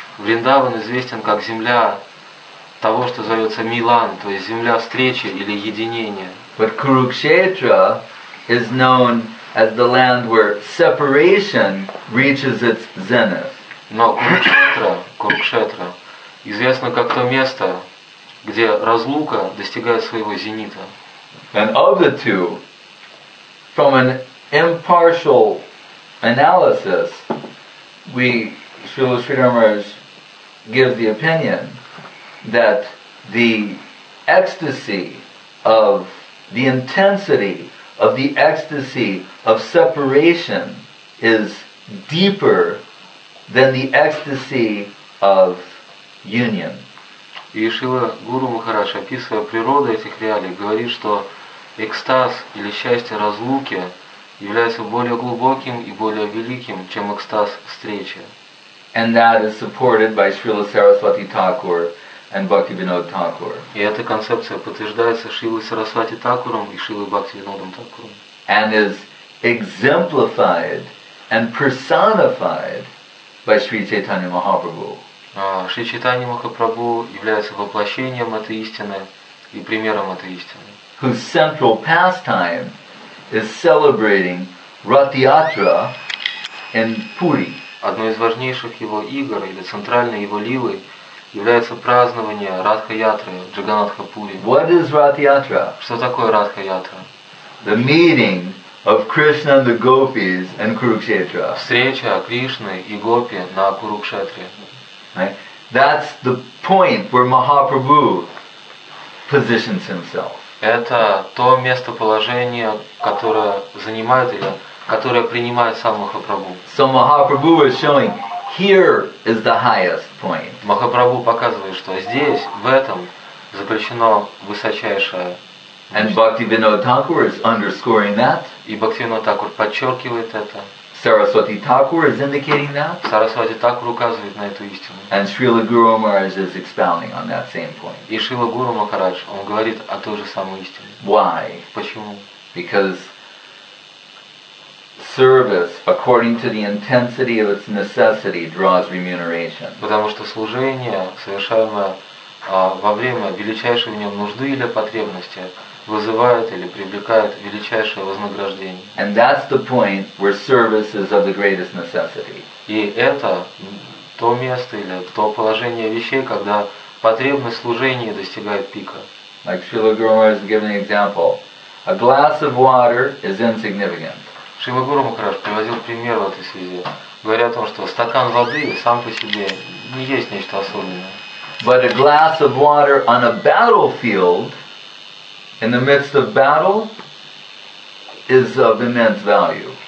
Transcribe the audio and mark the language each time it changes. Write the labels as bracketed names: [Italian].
[Russian] Vrindavan [English] is [Russian] известен как земля того, что зовется Милан, то есть земля встречи или единения. [English] But Kurukshetra is known as the land where separation reaches its zenith. [Russian] Но Курукшетра известно как то место, где разлука достигает своего зенита. [English] And of the two, from an impartial analysis, we, Srila Sridhar Maharaj gives the opinion that the ecstasy of the intensity of the ecstasy of separation is deeper than the ecstasy of union. [Russian] И Шрила Гуру Махарадж, описывая природу этих реалий, говорит, что экстаз или счастье разлуки является более глубоким и более великим, чем экстаз встречи. [English] And that is supported by Srila Saraswati Thakur and Bhaktivinoda Thakur. [Russian] И эта концепция подтверждается Шрилой Сарасвати Такуром и Шрилой Бхактивинодом Такуром. [English] And is exemplified and personified by Sri Chaitanya Mahaprabhu. [Russian] Шри Чайтанья Махапрабху является воплощением этой истины и примером этой истины. [English] Whose central pastime is celebrating Ratiyatra in Puri. [Russian] Одной из важнейших его игр или центральной его лилы является празднование Радха-ятры, Джаганатха-пури. [English] What is Ratiyatra? [Russian] Что такое Радха-ятра? [English] The meeting of Krishna and the gopis in Kurukshetra. [Russian] Встреча Кришны и гопи на Курукшетре. [English] Right? That's the point where Mahaprabhu positions himself. [Russian] Это то местоположение, которое занимает или которое принимает сам Махапрабху. [English] So Mahaprabhu is showing here is the highest point. [Russian] Махапрабху показывает, что здесь, в этом, заключено высочайшее. [English] And Bhaktivinoda Thakur is underscoring that. [Russian] И Бхактивинода Тхакур подчеркивает это. [English] Saraswati Thakur is indicating that. [Russian] Saraswati Thakur указывает на эту истину. [English] And Srila Guru Maharaj is expounding on that same point. [Russian] И Шрила Гуру Махарадж, он говорит о той же самой истине. [English] Why? [Russian] Почему? [English] Because service, according to the intensity of its necessity, draws remuneration. [Russian] Потому что служение, совершаемое во время величайшей в нем нужды или потребности, вызывает или привлекает величайшее вознаграждение. [English] And that's the point where service is of the greatest necessity. [Russian] И это то место или то положение вещей, когда потребность служения достигает пика. [English] Like Srila Guru Maharaj has given an example. A glass of water is insignificant. [Russian] Шрила Гуру Махарадж приводил пример в этой связи, говоря о том, что стакан воды сам по себе не есть нечто особенное. [English] But a glass of water on a battlefield in the midst of battle is of immense value.